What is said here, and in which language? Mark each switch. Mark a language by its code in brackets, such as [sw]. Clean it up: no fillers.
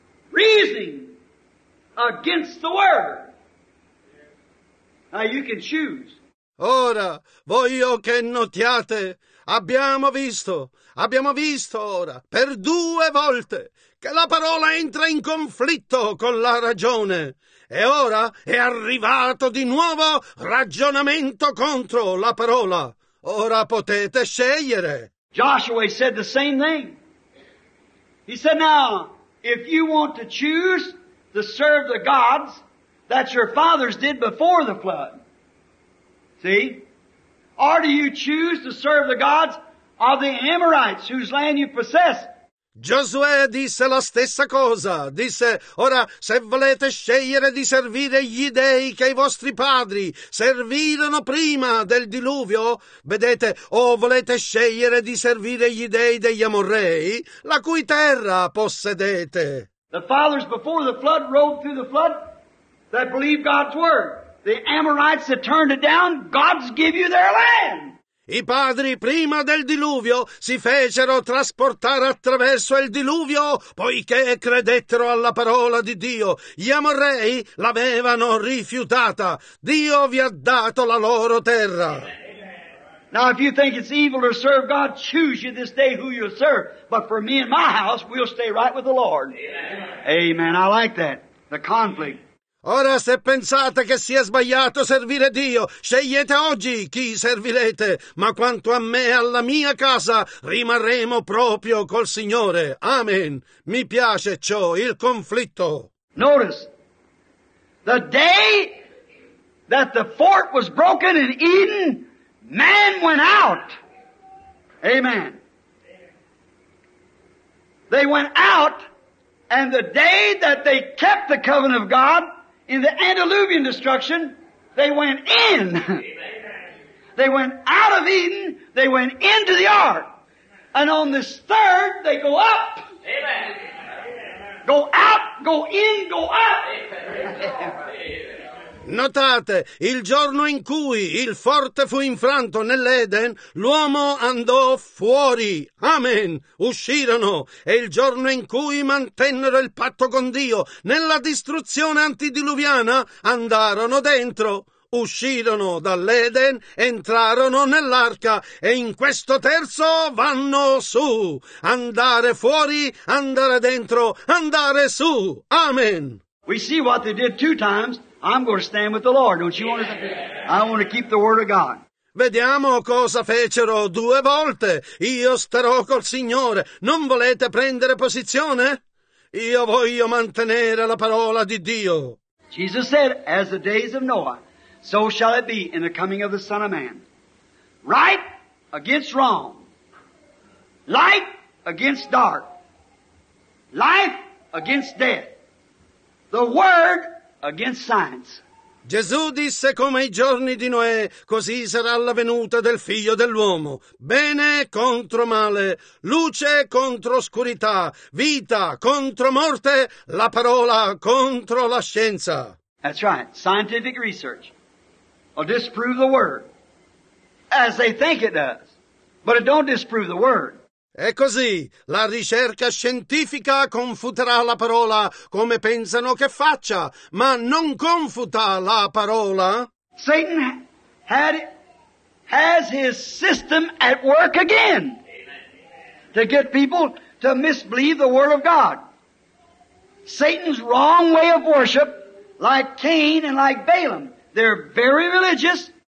[en] Reasoning against the word. Now you can choose. [it] Ora, voglio che notiate, abbiamo visto ora, per due volte, che la parola entra in conflitto con la ragione. E ora è arrivato di nuovo ragionamento contro la parola. Ora potete scegliere. [en] Joshua said the same thing. He said, now, if you want to choose to serve the gods that your fathers did before the flood, see? Or do you choose to serve the gods of the Amorites whose land you possess? [it] Giosuè disse la stessa cosa. Disse, ora, se volete scegliere di servire gli dèi che i vostri padri servirono prima del diluvio, vedete, o volete scegliere di servire gli dèi degli Amorrei, la cui terra possedete. [en] The fathers before the flood rode through the flood that believed God's word. The Amorites that turned it down, God's give you their land. [it] I padri prima del diluvio si fecero trasportare attraverso il diluvio poiché credettero alla parola di Dio. Gli Amorrei l'avevano rifiutata. Dio vi ha dato la loro terra. [en] Now if you think it's evil to serve God, choose you this day who you'll serve. But for me and my house, we'll stay right with the Lord. Amen. I like that. The conflict. [it] Ora, se pensate che sia sbagliato servire Dio, scegliete oggi chi servirete, ma quanto a me e alla mia casa, rimarremo proprio col Signore. Amen. Mi piace ciò, il conflitto. [en] Notice, the day that the fort was broken in Eden, man went out. Amen. They went out, and the day that they kept the covenant of God, in the antediluvian destruction, they went in. They went out of Eden, they went into the ark. And on this third, they go up. Amen. Go out, go in, go up. [it] Notate, il giorno in cui il forte fu infranto nell'Eden, l'uomo andò fuori. Amen. Uscirono. E il giorno in cui mantennero il patto con Dio, nella distruzione antidiluviana, andarono dentro. uscirono dall'Eden, entrarono nell'arca e in questo terzo vanno su. Andare fuori, andare dentro, andare su. Amen. [en] We see what they did two times. I'm going to stand with the Lord. Don't you want to? I want to keep the word of God. [it] Vediamo cosa fecero due volte. Io starò col Signore. Non volete prendere posizione? Io voglio mantenere la parola di Dio. [en] Jesus said, as the days of Noah, so shall it be in the coming of the Son of Man. Right against wrong. Light against dark. Life against death. The word against science. [it] Gesù disse come i giorni di Noè, così sarà la venuta del figlio dell'uomo. Bene contro male, luce contro oscurità, vita contro morte, la parola contro la scienza. [en] That's right. Scientific research will disprove the word, as they think it does, but it don't disprove the word. [it] E così la ricerca scientifica confuterà la parola come pensano che faccia, ma non confuta la parola. [en] Satan has his system at work again to get people to misbelieve the word of God. Satan's wrong way of worship, like Cain and like Balaam, they're very religious.